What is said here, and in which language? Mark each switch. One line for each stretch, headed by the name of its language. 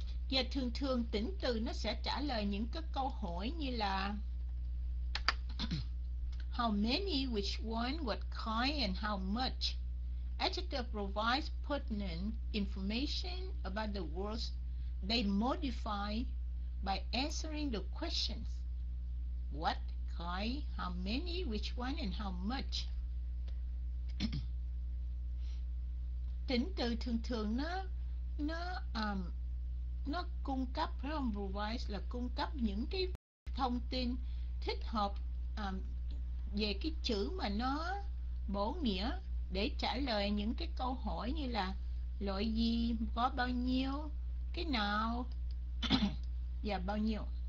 Vietnamese: Và thường thường tính từ nó sẽ trả lời những cái câu hỏi như là
English: how many, which one, what kind, and how much. Adjective provides pertinent information about the words they modify by answering the questions. What kind, how many, which one, and how much.
Vietnamese: Tính từ thường thường nó cung cấp, provide là cung cấp những cái thông tin thích hợp về cái chữ mà nó bổ nghĩa để trả lời những cái câu hỏi như là loại gì, có bao nhiêu, cái nào và bao nhiêu.